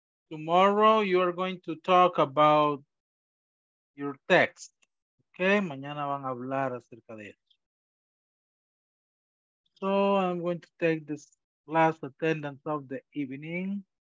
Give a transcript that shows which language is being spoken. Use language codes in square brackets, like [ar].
[en] Tomorrow you are going to talk about your text. [es] Okay, mañana van a hablar acerca de eso. [en] So I'm going to take this last attendance of the evening.